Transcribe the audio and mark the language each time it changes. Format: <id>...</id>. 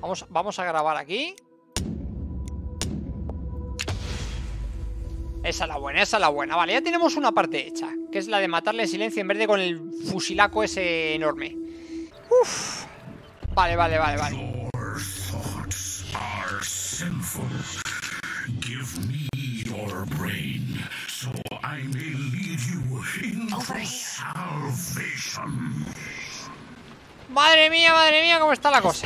<es>Vamos a grabar aquí. Esa es la buena. Vale, ya tenemos una parte hecha, que es la de matarle en silencio en vez de con el fusilaco ese enorme. Uf. Vale.</es> <en>Your thoughts are sinful. Give me your brain so I may lead you into salvation.</en> <es>Madre mía, ¿cómo está la cosa?</es>